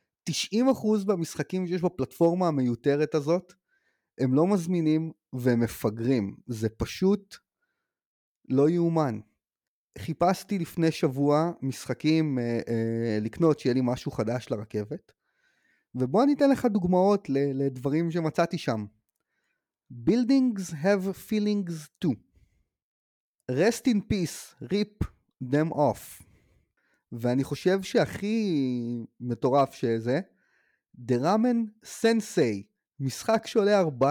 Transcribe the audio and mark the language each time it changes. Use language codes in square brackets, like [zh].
[he] 90% במשחקים שיש בפלטפורמה המיותרת הזאת, הם לא מזמינים והם מפגרים. זה פשוט לא יאומן. חיפשתי לפני שבוע משחקים לקנות שיהיה לי משהו חדש לרכבת, ובוא אני אתן לך דוגמאות לדברים שמצאתי שם. [en] Buildings have feelings too. Rest in peace, rip them off. [he] ואני חושב שהכי מטורף שזה, The Ramen Sensei, משחק שעולה $14.